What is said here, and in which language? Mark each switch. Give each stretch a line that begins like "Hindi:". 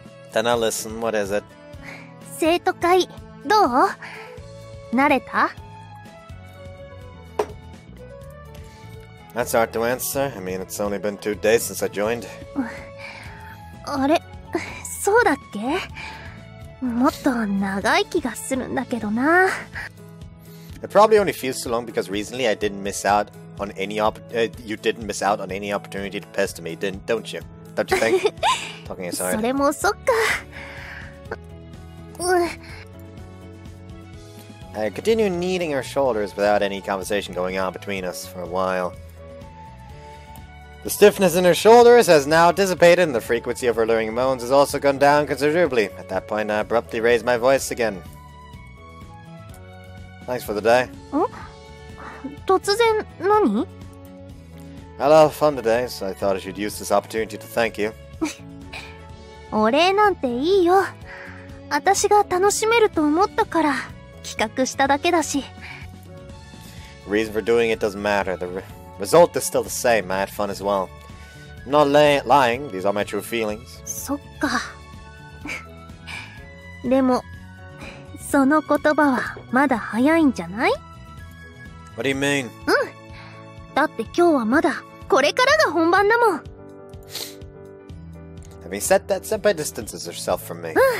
English: Then I'll listen. What is it?
Japanese: Seito-kai, dou? Nareta?
English: That's hard to answer. I mean, it's only been 2 days since I joined.
Japanese: あれ、そうだっけ? もっと長い気がするんだけどな.
English: It probably only feels so long because recently I didn't miss out on any opportunity opportunity to pester me, don't you? Don't you think? Talking aside.
Japanese: それもそっか.
English: I continue kneading her shoulders without any conversation going on between us for a while. The stiffness in her shoulders has now dissipated, and the frequency of her luring moans has also gone down considerably. At that point, I abruptly raise my voice again. Thanks for the day.
Japanese: ん?突然何?
English: I love fun today, so I thought I should use this opportunity to thank you.
Japanese: お礼なんていいよ. 私が楽しめると思ったから. 企画しただけだし.
English: Reason for doing it doesn't matter. The result is still the same. I had fun as well. I'm not lying. These are my true feelings.
Japanese: そっか. でも, その言葉はまだ早いんじゃない?
English: What do you mean?
Japanese: だって今日はまだこれからが本番だもん.
English: Having said that, Senpai distances herself from me.